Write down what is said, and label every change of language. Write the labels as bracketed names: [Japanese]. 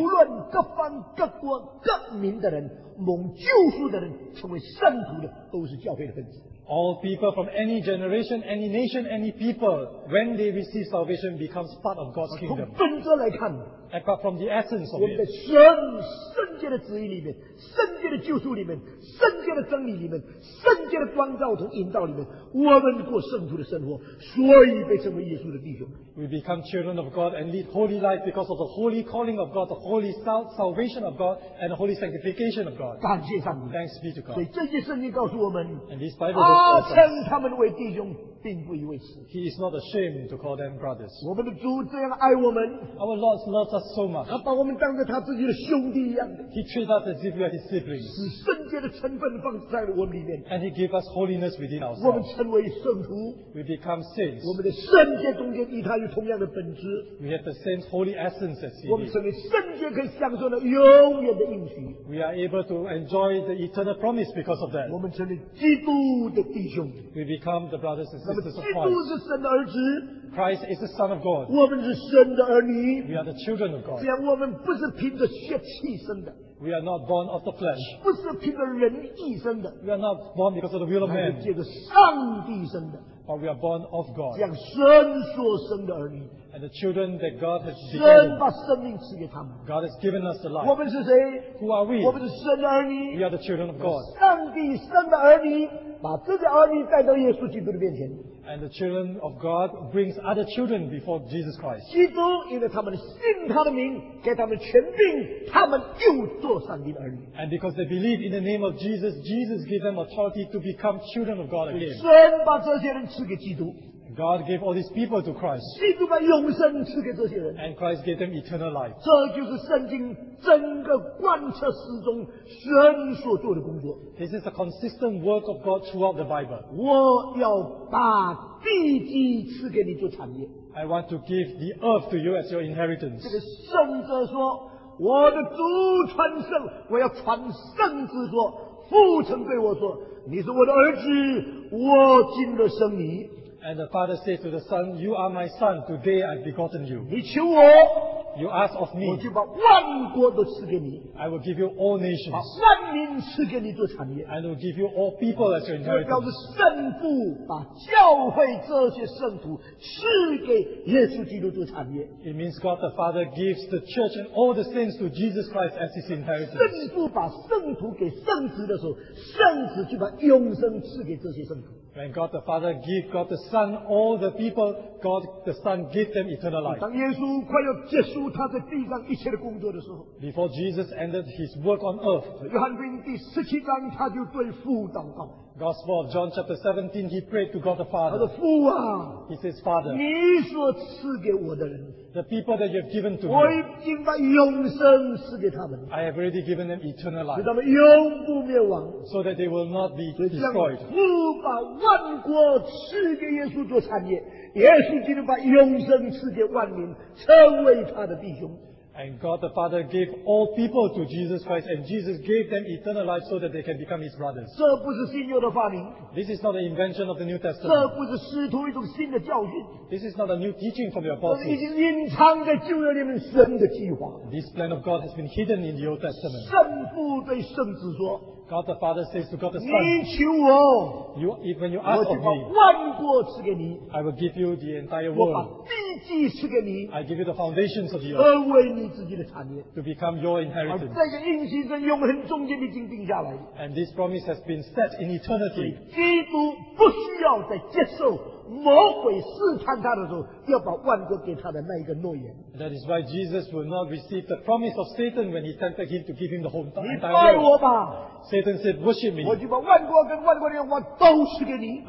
[Chinese] 无论各方各国各民的人。蒙救赎的人成为圣徒的，都是教会的分子。 [English] All people from any generation, any nation, any people, when they receive salvation, becomes part of God's kingdom. [Chinese] 从本质来看 [English] ，apart from the essence of it, [Chinese] 我们在神圣洁的旨意里面、圣洁的救赎里面、圣洁的真理里面、圣洁的光照和引导里面，我们过圣徒的生活，所以被称为耶稣的弟兄。 [English] We become children of God and lead holy life because of the holy calling of God, the holy salvation of God, and the holy sanctification of God. [Chinese] 感谢上帝。 [English] Thanks be to God. [Chinese] 所以这些圣经告诉我们。 [English] And this Bible says. [Chinese] 称他们为弟兄，并不以为耻。 [English] He is not ashamed to call them brothers. [Chinese] 我们的主这样爱我们。 [English] Our Lord loves us so much. [Chinese] 他把我们当作他自己的兄弟一样的。 [English] He treats us as if we are his siblings. [Chinese] 使圣洁的成分放在我们里面。 [English] And he gives us holiness within ourselves. [Chinese] 我们成为圣徒。 [English] We become saints. [Chinese] 我们的圣洁中间与他有同样的本质。 [English] We have the same holy essence as he. [Chinese] 我们成为圣洁，可以享受那永远的应许。 [English] We are able to enjoy the eternal promise because of that. [Chinese] 我们成为基督的弟兄。 [English] We become the brothers and sisters of Christ. [Chinese] 基督是神的儿子。 [English] Christ is the Son of God. [Chinese] 我们是神的儿女。 [English] We are the children of God. [Chinese] 这样我们不是凭着血气生的。 [English] We are not born of the flesh. [Chinese] 不是凭着人意生的。 [English] We are not born because of the will of man. [Chinese] 借着上帝生的。 [English] But we are born of God. [Chinese] 像神所生的儿女。 [English] And the children that God has given. [Chinese] 神把生命赐给他们。 [English] God has given us the life. [Chinese] 我们是谁？ [English] Who are we? [Chinese] 我们是神的儿女。 [English] We are the children of God. [Chinese] 上帝生的儿女，把这个儿女带到耶稣基督的面前。 [English] And the children of God brings other children before Jesus Christ. [Chinese] 基督因为他们信他的名，给他们权柄，他们就做上帝的儿女。 [English] And because they believe in the name of Jesus, Jesus gave them authority to become children of God again. [Chinese] 神把这些人赐给基督。 [English] God gave all these people to Christ. [Chinese] 基督把永生赐给这些人。 [English] And Christ gave them eternal life. [Chinese] 这就是圣经整个贯彻始终神所做的工作。 [English] This is the consistent work of God throughout the Bible. [Chinese] 我要把地基赐给你做产业。 [English] I want to give the earth to you as your inheritance. [Chinese] 这个圣者说，我的主传圣，我要传圣子说，父曾对我说，你是我的儿子，我今日生你。 [English] And the father said to the son, You are my son, today I've begotten you. [Chinese] 你求我, [English] you ask of me, [Chinese] 我就把万国都赐给你, [English] I will give you all nations, [Chinese] 把万民赐给你做产业, [English] I will give you all people as your inheritance. [Chinese] 这告诉圣父把教会这些圣徒赐给耶稣基督做产业。 [English] It means God the Father gives the church and all the saints to Jesus Christ as his inheritance. [Chinese] 圣父把圣徒给圣子的时候，圣子就把永生赐给这些圣徒。 [English] When God the Father gives God the Son all the people, God the Son gives them eternal life. [Chinese] 当耶稣快要结束他在地上一切的工作的时候， [English] before Jesus ended his work on earth, [Chinese] 约翰福音第十七章他就对父祷告。 [English] Gospel of John chapter 17, he prayed to God the Father. [Chinese] 他说父啊， [English] he says, Father, [Chinese] 你所赐给我的人， [English] the people that you have given to me, [Chinese] 我已经把永生赐给他们， [English] I have already given them eternal life, [Chinese] 使他们永不灭亡， [English] so that they will not be destroyed. [Chinese] 父把万国赐给耶稣做产业，耶稣基督把永生赐给万民，成为他的弟兄。 [English] And God the Father gave all people to Jesus Christ, and Jesus gave them eternal life so that they can become His brothers. [Chinese] 这不是新约的发明。 [English] This is not an invention of the New Testament. [Chinese] 这不是师徒一种新的教训。 [English] This is not a new teaching from the apostles. [Chinese] 已经隐藏在旧约里面神的计划。 [English] This plan of God has been hidden in the Old Testament. [Chinese] 圣父对圣子说。 [English] God the Father says to God the Son, [Chinese] 你求我, [English] you, when you ask of me, [Chinese] 我就把万国赐给你, [English] I will give you the entire world. [Chinese] 我把地基赐给你, [English] I give you the foundations of the earth. [Chinese] 而为你自己的产业, [English] to become your inheritance. [Chinese] 在这应许跟永恒中间已经定下来, [English] and this promise has been set in eternity. [Chinese] 基督不需要再接受魔鬼试探他的时候要把万国给他的那一个诺言。 [English] That is why Jesus will not receive the promise of Satan when he tempted him to give him the whole entire world. [Chinese] 你拜我吧。 [English] Satan said, worship me. [Chinese] 我就把万国跟万国的荣耀都赐给你。